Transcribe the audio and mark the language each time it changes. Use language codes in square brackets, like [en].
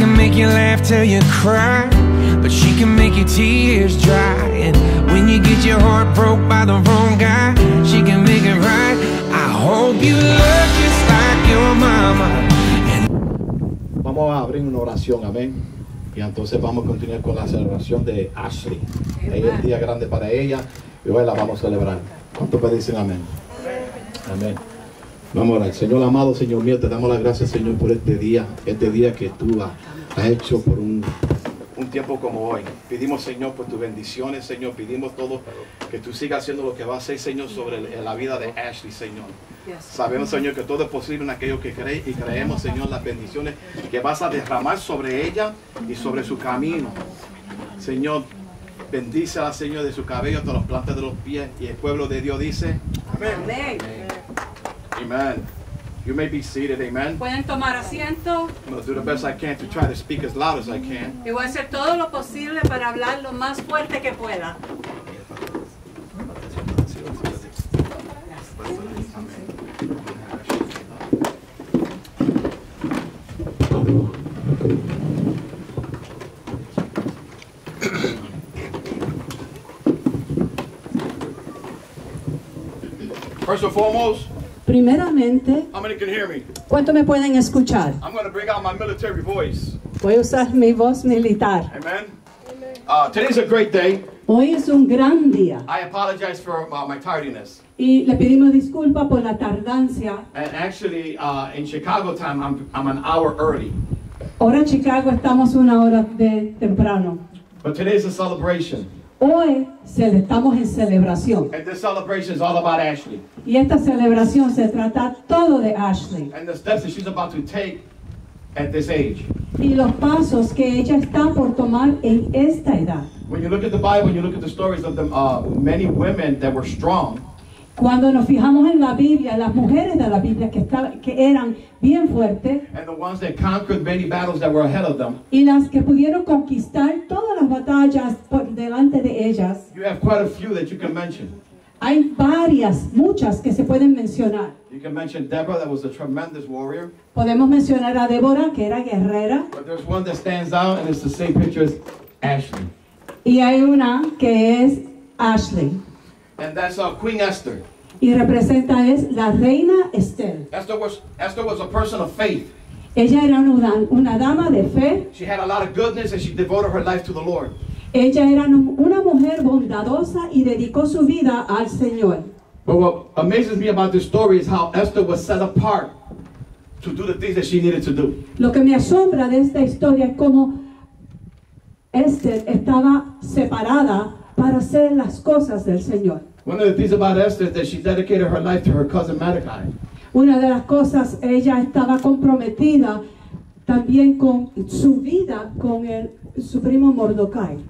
[en] You laugh till you cry, but she can make your tears dry. And when you get your heart broke by the wrong guy, she can make it right. I hope you look just like your mama. [es] Vamos a abrir una oración, amén. Y entonces vamos a continuar con la celebración de Ashley. Ahí es un día grande para ella y hoy la vamos a celebrar. ¿Cuántos me dicen amén? Amén. Vamos a orar. Señor amado, Señor mío, te damos las gracias, Señor, por este día que tú has hecho por un tiempo como hoy. Pedimos, Señor, por tus bendiciones, Señor. Pedimos todo que tú sigas haciendo lo que vas a hacer, Señor, sobre la vida de Ashley, Señor. Sabemos, Señor, que todo es posible en aquello que crees y creemos, Señor, las bendiciones que vas a derramar sobre ella y sobre su camino. Señor, bendícela, Señor, de su cabello hasta las plantas de los pies. Y el pueblo de Dios dice, amén. [en] Amén. Amen. You may be seated. Amen. [es] Pueden tomar asiento. [en] I'm going to do the best I can to try to speak as loud as I can. [es] Y voy a hacer todo lo posible para hablar lo más fuerte que pueda. [en] First and foremost, [es] primeramente, ¿cuánto me pueden escuchar? [en] I'm going to bring out my military voice. [es] Voy a usar mi voz militar. [en] Amen. Today's a great day. [es] Hoy es un gran día. [en] I apologize for my tardiness. [es] Y le pedimos disculpa por la tardancia. [en] And actually, in Chicago time, I'm an hour early. [es] Ahora en Chicago estamos una hora de temprano. [en] But today's a celebration. [es] Hoy estamos en celebración. [en] And this celebration is all about Ashley. [es] Y esta celebración se trata todo de Ashley. [en] And the steps that she's about to take at this age. [es] Y los pasos que ella está por tomar en esta edad. [en] When you look at the Bible, when you look at the stories of the many women that were strong. [es] Cuando nos fijamos en la Biblia, las mujeres de la Biblia que eran bien fuertes. [en] And the ones that conquered many battles that were ahead of them. [es] Y las que pudieron conquistar todas las batallas por delante de ellas. [en] You have quite a few that you can mention. [es] Hay varias, muchas que se pueden mencionar. [en] You can mention Deborah, that was a tremendous warrior. [es] Podemos mencionar a Deborah, que era guerrera. [en] But there's one that stands out, and it's the same picture as Ashley. [es] Y hay una que es Ashley. [en] And that's Queen Esther. [es] Y representa es la reina Esther. [en] Esther was a person of faith. [es] Ella era una dama de fe. [en] She had a lot of goodness and she devoted her life to the Lord. [es] Ella era una mujer bondadosa y dedicó su vida al Señor. [en] But what amazes me about this story is how Esther was set apart to do the things that she needed to do. [es] Lo que me asombra de esta historia es cómo Esther estaba separada para hacer las cosas del Señor. [en] One of the things about Esther is that she dedicated her life to her cousin Mordecai. [es] Una de las cosas, ella estaba comprometida también con su vida con su primo Mordecai.